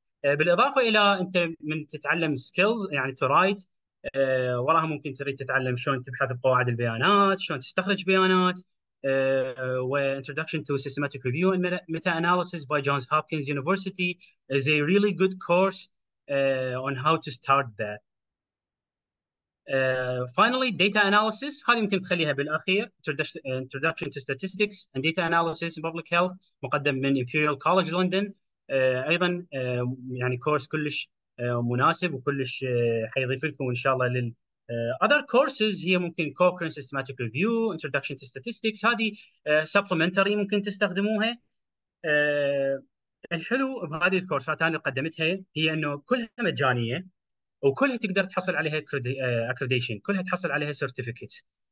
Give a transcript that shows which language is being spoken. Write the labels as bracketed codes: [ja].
[ar] بالاضافه الى انت من تتعلم سكيلز يعني تو رايت، وراها ممكن تريد تتعلم شلون تبحث بقواعد البيانات، شلون تستخرج بيانات، و [en] introduction to systematic review and meta analysis by Johns Hopkins University is a really good course on how to start that. Finally, data analysis. [ar] هذه ممكن تخليها بالأخير. [en] Introduction to Statistics and Data Analysis in Public Health. [ar] مقدم من Imperial College London. أيضا يعني كورس كلش مناسب وكلش حيضيف لكم إن شاء الله لل [en] other courses. [ar] هي ممكن Cochrane Systematic Review, Introduction to Statistics. هذه supplementary ممكن تستخدموها. الحلو بهذه الكورسات انا اللي قدمتها هي انه كلها مجانيه وكلها تقدر تحصل عليها اكريديشن، كلها تحصل عليها سيرتيفيكت.